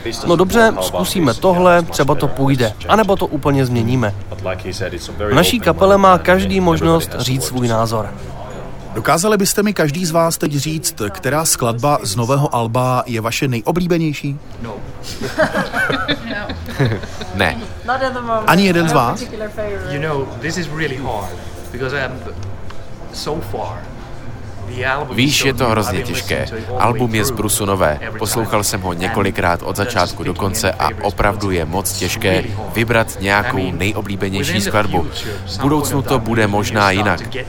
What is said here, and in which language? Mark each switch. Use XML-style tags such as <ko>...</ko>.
<cs>No dobře, zkusíme tohle, třeba to půjde, anebo to úplně změníme. V naší kapele má každý možnost říct svůj názor. Dokázali byste mi každý z vás teď říct, která skladba z nového alba je vaše nejoblíbenější? Ne. Ani jeden z vás?</cs> <en>You know, this is really hard because I am so far.</en> <cs>Víš, je to hrozně těžké. Album je z brusu nové. Poslouchal jsem ho několikrát od začátku do konce a opravdu je moc těžké vybrat nějakou nejoblíbenější skladbu. V budoucnu to bude možná jinak.</cs>